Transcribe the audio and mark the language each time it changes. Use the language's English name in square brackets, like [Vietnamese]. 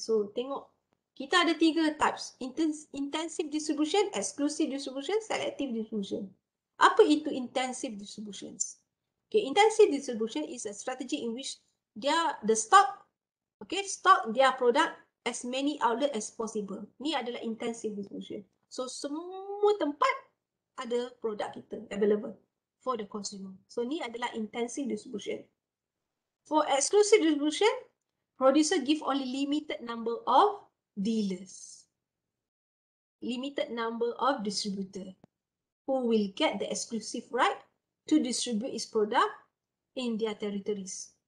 [Malay] So tengok, kita ada tiga types: intensive distribution, exclusive distribution, selective distribution. Apa itu intensive distributions? [English] Okay, intensive distribution is a strategy in which the stock, okay, stock their product as many outlet as possible. [Malay] Ni adalah intensive distribution. So semua tempat ada produk kita [English] available for the consumer. [Malay] So ni adalah intensive distribution. [English] For exclusive distribution, producer give only limited number of dealers, limited number of distributor who will get the exclusive right to distribute his product in their territories.